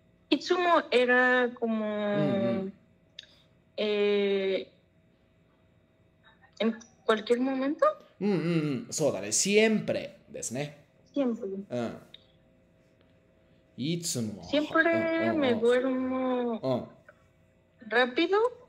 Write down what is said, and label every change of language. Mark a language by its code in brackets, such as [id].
[es] いつも era como en cualquier momento? [ja] そうだね、siempre ですね。 [es] Siempre. [ja] いつも。 [es] Siempre me duermo rápido.